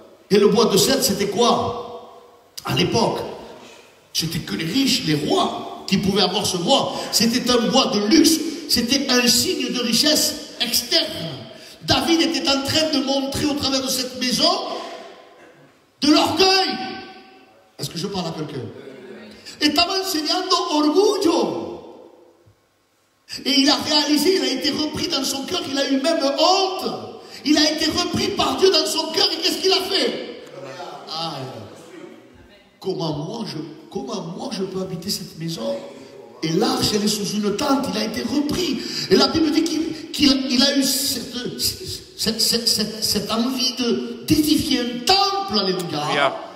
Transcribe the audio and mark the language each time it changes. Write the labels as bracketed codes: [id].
[fr] Et le bois de cèdre, c'était quoi? À l'époque, c'était que les riches, les rois, qui pouvaient avoir ce bois. C'était un bois de luxe, c'était un signe de richesse externe. David était en train de montrer au travers de cette maison de l'orgueil. Est-ce que je parle à quelqu'un? [es] Estaba enseñando orgullo. [fr] Et il a réalisé, il a été repris dans son cœur, il a eu même honte. Il a été repris par Dieu dans son cœur, et qu'est-ce qu'il a fait? Ah, comment moi je peux habiter cette maison? Et l'arche, elle est sous une tente, il a été repris. Et la Bible dit qu'il a eu cette envie d'édifier un temple, alléluia.